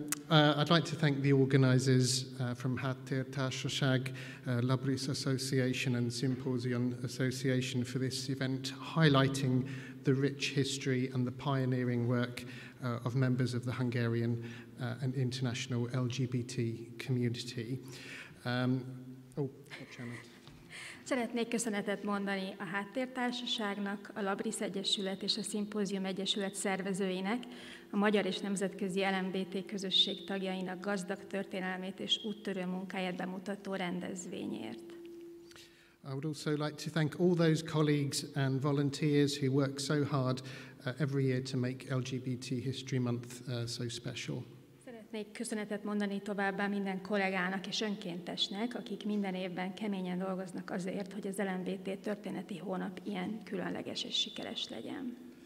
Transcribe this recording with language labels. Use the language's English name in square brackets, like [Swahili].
[English] I'd like to thank the organisers from Háttér Társaság, Labris Association and Symposion Association for this event, highlighting the rich history and the pioneering work of members of the Hungarian and international LGBT community. [Hungarian] Szeretnék köszönetet mondani a Háttér Társaságnak, a Labris Egyesület és a Szimpózium Egyesület szervezőinek, a magyar és nemzetközi LMBT közösség tagjainak gazdag történelmét és úttörő munkáját bemutató rendezvényért. [English] I would also like to thank all those colleagues and volunteers who work so hard every year to make LGBT History Month so special. [Hungarian] Szeretnék köszönetet mondani továbbá minden kollégának és önkéntesnek, akik minden évben keményen dolgoznak azért, hogy az LMBT történeti hónap ilyen különleges és sikeres legyen.